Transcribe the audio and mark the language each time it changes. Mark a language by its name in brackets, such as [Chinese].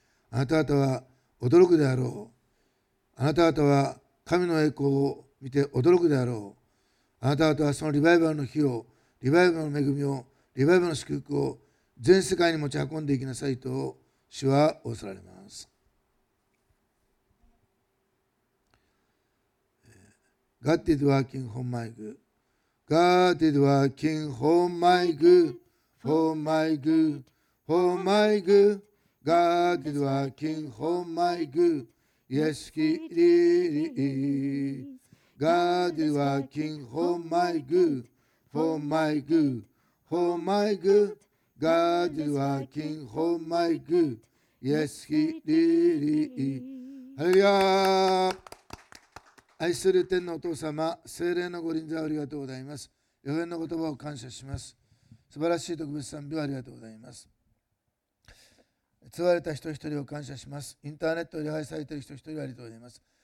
[Japanese] あなた方は驚くであろう。あなた方は神の栄光を見て驚くであろう。あなた方はそのリバイバルの日を、リバイバルの恵みを、リバイバルの祝福を全世界に持ち運んでいきなさいと主は仰せられます。 [English] God did work in for my good. God did work in for my good. For my good. For my good. God did work in for my good. Yes, he did it. God is working for my good, for my good, for my good. God is working for my good. Yes, he did it. ハレルヤ。 [Japanese] 愛する天のお父様、聖霊のご臨在ありがとうございます。予言の言葉を感謝します。素晴らしい特別賛美をありがとうございます。集われた人一人を感謝します。インターネットを礼拝されている人一人をありがとうございます。